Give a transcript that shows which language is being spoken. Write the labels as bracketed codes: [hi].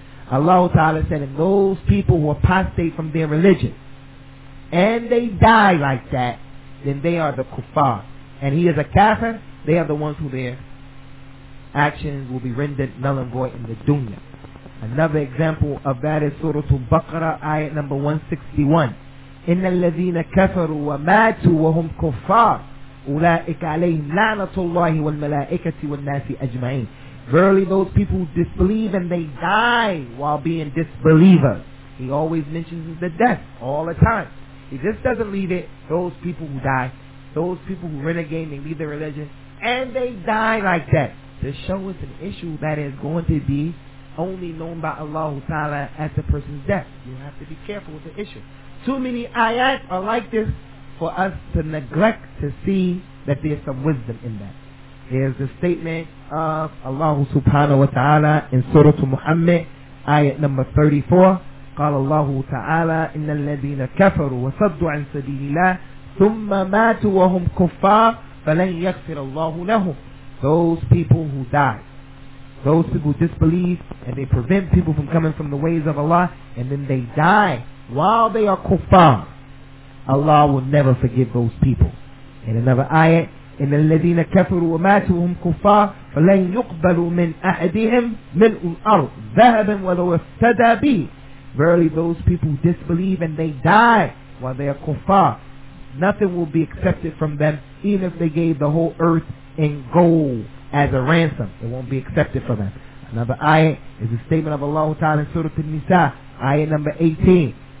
[en] Allah Ta'ala said, and those people who apostate from their religion and they die like that, then they are the kuffar. And he is a kafir, they are the ones who their actions will be rendered null and void in the dunya. Another example of that is Surah Al-Baqarah, ayat number 161. [ar] إِنَّ الَّذِينَ كَفَرُوا وَمَاتُوا وَهُمْ كُفَّارٌ أولئك عليهم لعنة الله والملائكة والناس أجمعين. [en] Verily, those people disbelieve and they die while being disbelievers. He always mentions the death all the time. He just doesn't leave it. Those people who die, those people who renegade, they leave their religion, and they die like that. To show us an issue that is going to be only known by Allah Ta'ala at the person's death. You have to be careful with the issue. Too many ayat are like this for us to neglect to see that there's some wisdom in that. There's the statement of Allah Subhanahu wa Ta'ala in Surah Muhammad, ayat number 34. [ar] قال الله تعالى إن الذين كفروا وصدوا عن سبيل الله ثم ماتوا وهم كفار فلن يغفر الله لهم. [en] Those people who die, those people who disbelieve and they prevent people from coming from the ways of Allah, and then they die while they are kufar, Allah will never forgive those people. In another ayat, [ar] إن الذين كفروا وماتوا وهم كفار فلن يقبلوا من أحدهم ملء الأرض ذهبا ولو افتدى به. [en] Verily, those people who disbelieve and they die while they are kuffar, nothing will be accepted from them, even if they gave the whole earth in gold as a ransom. It won't be accepted for them. Another ayah is a statement of Allah Ta'ala in Surah An-Nisa, ayah number 18.